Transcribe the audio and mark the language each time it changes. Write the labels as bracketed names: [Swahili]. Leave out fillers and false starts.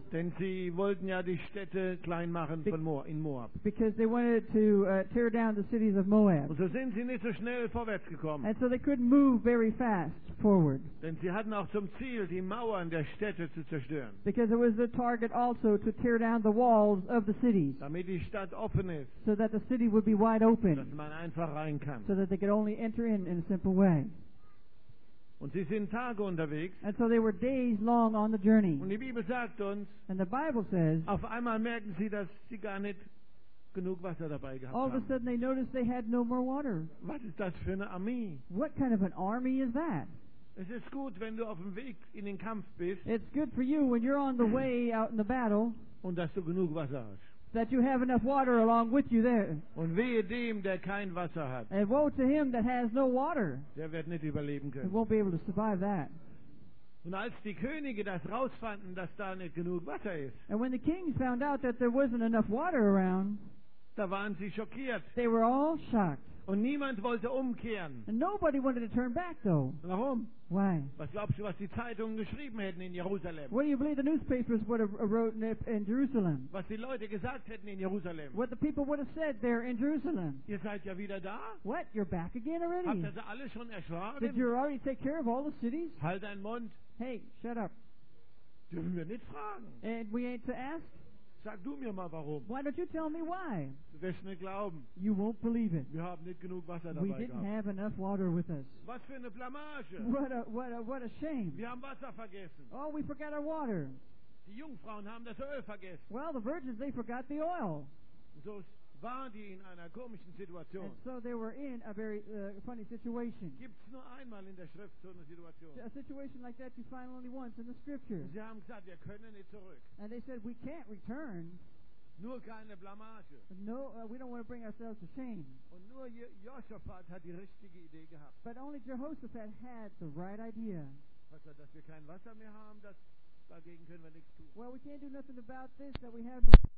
[German] Denn sie wollten ja die Städte klein machen in Moab. [English] Because they wanted to tear down the cities of Moab. [German] Und so sind sie nicht so schnell vorwärts gekommen. [English] And so they couldn't move very fast forward. [German] Denn sie hatten auch zum Ziel, die Mauern der Städte zu zerstören. [English] Because it was the target also to tear down the walls of the cities. [German] Damit die Stadt offen ist. [English] So that the city would be wide open. [German] Dass man einfach rein kann. [English] So that they could only enter in a simple way. [German] Und sie sind Tage unterwegs. [English] And so they were days long on the journey. [German] Und die Bibel sagt uns, [English] and the Bible says, [German] auf einmal merken sie, dass sie gar nicht genug Wasser dabei gehabt [English] all [German] haben. [English] Of a sudden they noticed they had no more water. [German] Was ist das für eine Armee? [English] What kind of an army is that? [German] Es ist gut, wenn du auf dem Weg in den Kampf bist. [English] It's good for you when you're on the way out in the battle. [German] Und dass du genug Wasser hast. [English] That you have enough water along with you there. [German] Und wehe dem, der kein Wasser hat. [English] And woe to him that has no water. [German] Der wird nicht überleben können. [English] He won't be able to survive that. [German] Und als die Könige das rausfanden, dass da nicht genug Wasser ist. [English] And when the kings found out that there wasn't enough water around. [German] Da waren sie schockiert. [English] They were all shocked. [German] Und niemand wollte umkehren. [English] And nobody wanted to turn back though. [German] Warum? [English] Why? [German] Was glaubst du, was die Zeitungen geschrieben hätten in Jerusalem? [English] What do you believe the newspapers would have written in Jerusalem? [German] Was die Leute gesagt hätten in Jerusalem? [English] What the people would have said there in Jerusalem? [German] Ihr seid ja wieder da? [English] What? You're back again already? [German] Habt ihr alle schon erschlagen? [English] Did you already take care of all the cities? [German] Halt deinen Mund. [English] Hey, shut up. [German] Dürfen wir nicht fragen? [English] And we ain't to ask? [German] Sag du mir mal warum. [English] Why don't you tell me why? [German] Du wirst nicht glauben. [English] You won't believe it. [German] Wir haben nicht genug Wasser dabei gehabt. [English] We didn't have enough water with us. [German] Was für eine Blamage. [English] What a shame. [German] Wir haben Wasser vergessen. [English] Oh, we forgot our water. [German] Die Jungfrauen haben das Öl vergessen. [English] Well, the virgins, they forgot the oil. [German] So waren die in einer komischen Situation. [English] And so they were in a very funny situation. [German] Gibt's nur einmal in der Schrift so eine Situation. [English] A situation like that you find only once in the scripture. [German] Sie haben gesagt, wir können nicht zurück. [English] And they said, we can't return. [German] Nur keine Blamage. [English] No, we don't want to bring ourselves to shame. [German] Und nur Jehoshaphat hat die richtige Idee gehabt. [English] But only Jehoshaphat had the right idea. [German] Was er, dass wir kein Wasser mehr haben, dass dagegen können wir nichts tun. [English] Well, we can't do nothing about this that we have no.